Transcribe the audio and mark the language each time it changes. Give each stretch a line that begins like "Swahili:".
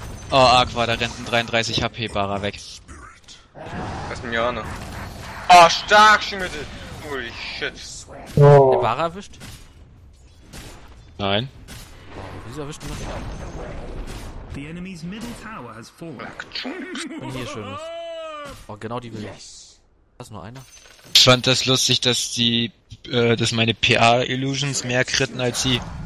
German: Oh, Aqua, da rennt ein 33 HP-Barer weg. Das ist ein Jana. Oh, stark, Schmitte!
English: Holy shit.
German: Der Barer erwischt? Nein. Wieso erwischt du noch nicht?
English: The enemy's middle tower has fallen.
German: Und hier schön ist. Oh, genau die will ich. Yes. Das ist nur einer. Ich fand das lustig, dass die, dass meine PA-Illusions mehr kritten als sie.